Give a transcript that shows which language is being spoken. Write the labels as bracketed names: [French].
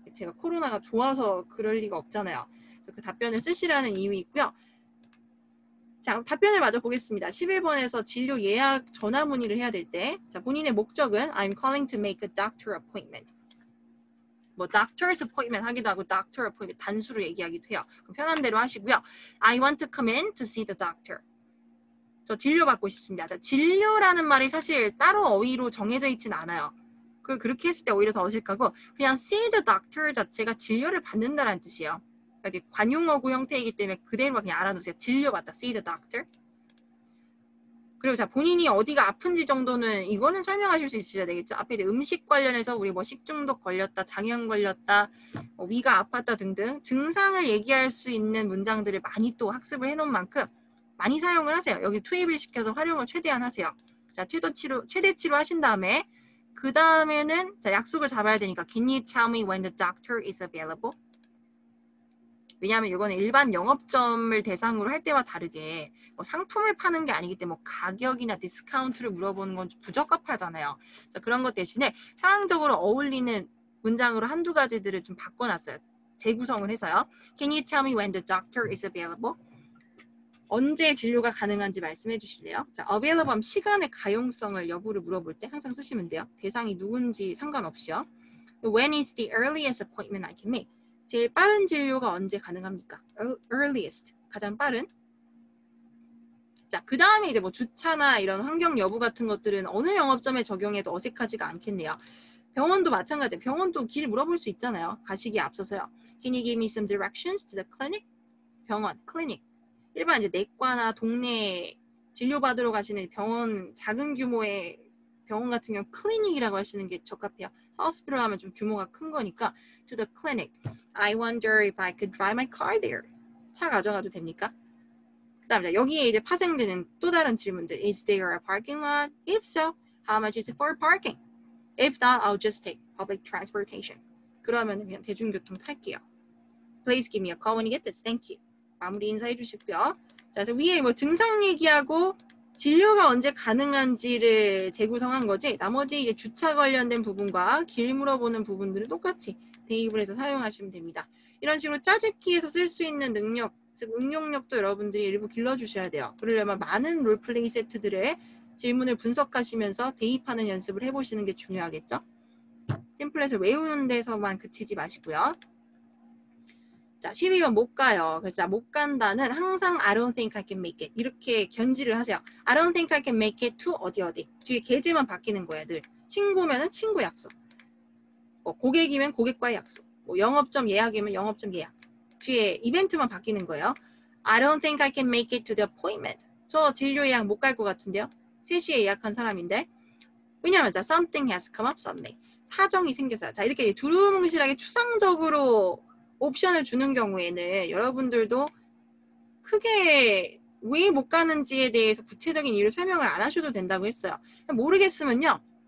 [Korean] 제가 코로나가 좋아서 그럴 리가 없잖아요. 그래서 그 답변을 쓰시라는 이유 있고요. 자, 답변을 마저 보겠습니다. 11번에서 진료 예약 전화 문의를 해야 될 때 자, 본인의 목적은 [English] I'm calling to make a doctor appointment. [Korean] 뭐 doctor's appointment 하기도 하고 doctor appointment 단수로 얘기하기도 해요. 그럼 편한 대로 하시고요. [English] I want to come in to see the doctor. [Korean] 저 진료 받고 싶습니다. 자, 진료라는 말이 사실 따로 어휘로 정해져 있진 않아요. 그걸 그렇게 했을 때 오히려 더 어색하고 그냥 [English] see the doctor [Korean] 자체가 진료를 받는다라는 뜻이에요. 관용어구 형태이기 때문에 그대로 그냥 알아놓으세요. 진료받다. [English] See the doctor. [Korean] 그리고 자, 본인이 어디가 아픈지 정도는 이거는 설명하실 수 있어야 되겠죠. 앞에 음식 관련해서 우리 뭐 식중독 걸렸다, 장염 걸렸다, 뭐 위가 아팠다 등등 증상을 얘기할 수 있는 문장들을 많이 또 학습을 해놓은 만큼 많이 사용을 하세요. 여기 투입을 시켜서 활용을 최대한 하세요. 자, 최대치로 하신 다음에 그 다음에는 자, 약속을 잡아야 되니까 [English] Can you tell me when the doctor is available? [Korean] 왜냐하면 이거는 일반 영업점을 대상으로 할 때와 다르게 뭐 상품을 파는 게 아니기 때문에 뭐 가격이나 디스카운트를 물어보는 건 부적합하잖아요. 자, 그런 것 대신에 상황적으로 어울리는 문장으로 한두 가지들을 좀 바꿔놨어요. 재구성을 해서요. [English] Can you tell me when the doctor is available? [Korean] 언제 진료가 가능한지 말씀해 주실래요? 자, available 하면 시간의 가용성을 여부를 물어볼 때 항상 쓰시면 돼요. 대상이 누군지 상관없이요. [English] When is the earliest appointment I can make? [Korean] 제일 빠른 진료가 언제 가능합니까? Earliest, 가장 빠른. 자, 그 다음에 이제 뭐 주차나 이런 환경 여부 같은 것들은 어느 영업점에 적용해도 어색하지가 않겠네요. 병원도 마찬가지예요. 병원도 길 물어볼 수 있잖아요. 가시기 앞서서요. [English] Can you give me some directions to the clinic? [Korean] 병원, clinic. 일반 이제 내과나 동네 진료받으러 가시는 병원, 작은 규모의 병원 같은 경우 클리닉이라고 하시는 게 적합해요. 호스피탈 하면 좀 규모가 큰 거니까 to the clinic. [English] I wonder if I could drive my car there. [Korean] 차 가져가도 됩니까? 그 다음에 여기에 이제 파생되는 또 다른 질문들. [English] Is there a parking lot? If so, how much is it for parking? If not, I'll just take public transportation. [Korean] 그러면 그냥 대중교통 탈게요. [English] Please give me a call when you get this. Thank you. [Korean] 마무리 인사해 주시고요. 자, 그래서 위에 뭐 증상 얘기하고 진료가 언제 가능한지를 재구성한 거지 나머지 이제 주차 관련된 부분과 길 물어보는 부분들은 똑같이 대입을해서 사용하시면 됩니다. 이런 식으로 짜집기에서 쓸 수 있는 능력, 즉 응용력도 여러분들이 일부 길러주셔야 돼요. 그러려면 많은 롤플레이 세트들의 질문을 분석하시면서 대입하는 연습을 해보시는 게 중요하겠죠. 템플릿을 외우는 데서만 그치지 마시고요. 자, 12번 못 가요. 그래서 못 간다는 항상 [English] I don't think I can make it. [Korean] 이렇게 견지를 하세요. [English] I don't think I can make it to [Korean] 어디 어디. 뒤에 계제만 바뀌는 거예요, 늘. 친구면 친구 약속. 뭐 고객이면 고객과의 약속. 뭐 영업점 예약이면 영업점 예약. 뒤에 이벤트만 바뀌는 거예요. [English] I don't think I can make it to the appointment. [Korean] 저 진료 예약 못 갈 것 같은데요. 3시에 예약한 사람인데. 왜냐면 자, [English] something has come up suddenly. [Korean] 사정이 생겼어요. 자, 이렇게 두루뭉실하게 추상적으로 옵션을 주는 경우에는 여러분들도 크게 왜 못 가는지에 대해서 구체적인 이유를 설명을 안 하셔도 된다고 했어요. 모르겠으면요.